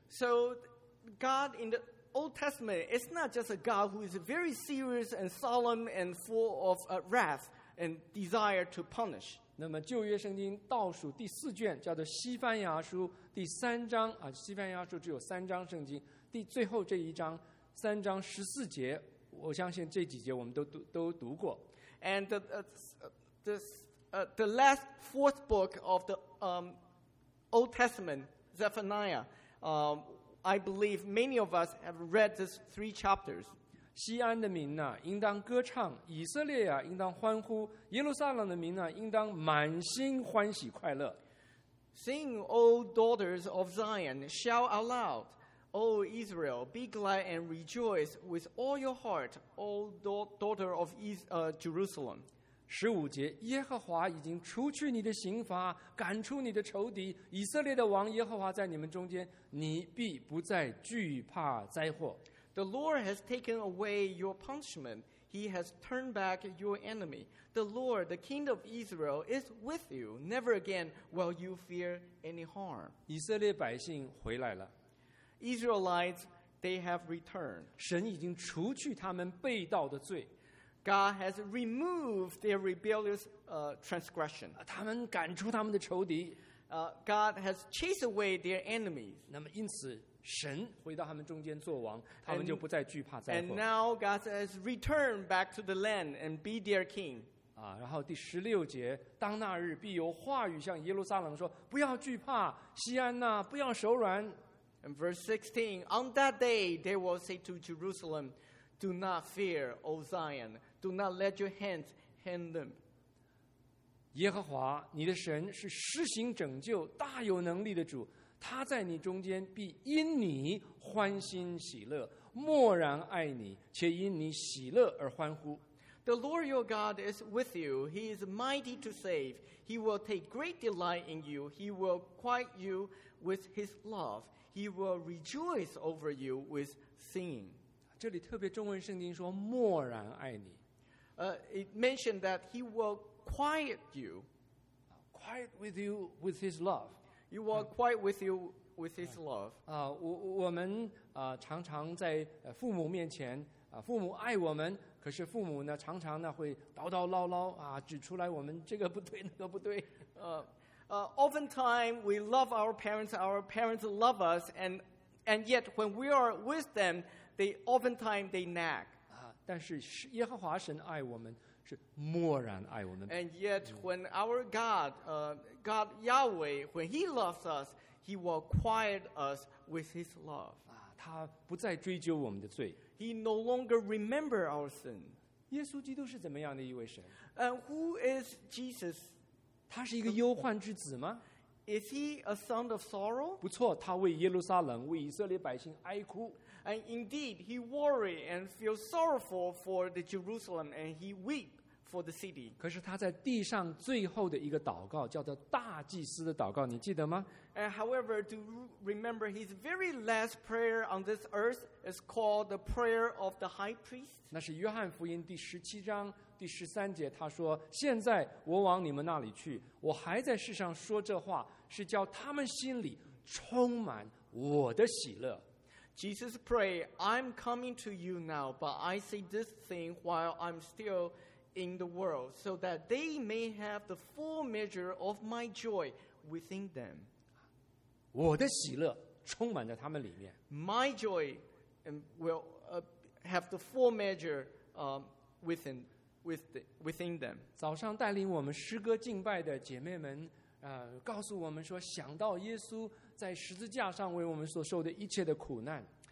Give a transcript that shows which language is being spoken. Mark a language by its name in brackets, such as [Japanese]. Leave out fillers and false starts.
[English] So God in the Old Testament is not just a God who is very serious and solemn and full of wrath and desire to punish. [Chinese] 那么旧约圣经倒数第四卷叫做西班牙书第三章啊，西班牙书只有三章圣经，第最后这一章三章十四节，我相信这几节我们都读过。 [English] And the last fourth book of the Old Testament, Zephaniah, I believe many of us have read this three chapters. [Chinese] 西安的民呐、啊，应当歌唱；以色列呀、啊，应当欢呼；耶路撒冷的民呐、啊，应当满心欢喜快乐。 [English] Sing, O daughters of Zion, shout aloud, O Israel, be glad and rejoice with all your heart, O daughter of Jerusalem. [Chinese] 15节，耶和华已经除去你的刑罚，赶出你的仇敌。以色列的王耶和华在你们中间，你必不再惧怕灾祸。 [English] The Lord has taken away your punishment. He has turned back your enemy. The Lord, the King of Israel, is with you. Never again will you fear any harm. [Chinese] 以色列百姓回来了。 [English] Israelites, they have returned. [Chinese] 神已经除去他们悖盗的罪。 [English] God has removed their rebellious transgression. [Chinese] 他们赶出他们的仇敌。 [English] God has chased away their enemies. [Chinese] 那么因此神回到他们中间作王，他们就不再惧怕灾祸。 [English] And now God has returned back to the land and be their king. [Chinese] 啊，然后第十六节，当那日必有话语向耶路撒冷说：“不要惧怕，西安呐、啊，不要手软。 [English] ”And verse 16, on that day they will say to Jerusalem, "Do not fear, O Zion. Do not let your hands hang limp." [Chinese] 耶和华你的神是施行拯救、大有能力的主。他在你中间必因你欢心喜乐，默然爱你，且因你喜乐而欢呼。 [English] The Lord your God is with you. He is mighty to save. He will take great delight in you. He will quiet you with his love. He will rejoice over you with singing. [Chinese] 这里特别中文圣经说默然爱你。 [English] It mentioned that he will quiet you. Quiet with you with his love. You will quiet with you with his love. [Chinese] 我们 常常在父母面前，父母爱我们，可是父母呢常常呢会叨叨唠唠啊，指出来我们这个不对那个不对。 [English] Oftentimes we love our parents love us, and yet when we are with them, they oftentimes they nag. [Chinese] 但是耶和华神爱我们，是默然爱我们。 [English] And yet when our God, God Yahweh, when He loves us, He will quiet us with His love. [Chinese] 他不再追究我们的罪。 [English] He no longer remember our sin. [Chinese] 耶稣基督是怎么样的一位神？ [English] And who is Jesus? [Chinese] 他是一个忧患之子吗？ [English] Is he a son of sorrow? [Chinese] 不错，他为耶路撒冷，为以色列百姓哀哭。 [English] And indeed, he worried and feel sorrowful for the Jerusalem, and he weep for the city. [Chinese] 可是他在地上最后的一个祷告，叫做大祭司的祷告，你记得吗？ [English] And however, to remember his very last prayer on this earth is called the prayer of the high priest. [Chinese] 那是约翰福音第十七章第十三节，他说：“现在我往你们那里去，我还在世上说这话，是叫他们心里充满我的喜乐。” [English] Jesus pray, I'm coming to you now, but I say this thing while I'm still in the world, so that they may have the full measure of my joy within them. [Chinese] 我的喜乐充满在他们里面。 [English] My joy will have the full measure within them. [Chinese] 早上带领我们诗歌敬拜的姐妹们，告诉我们说，想到耶稣在十字架上为我们所受的一切的苦难。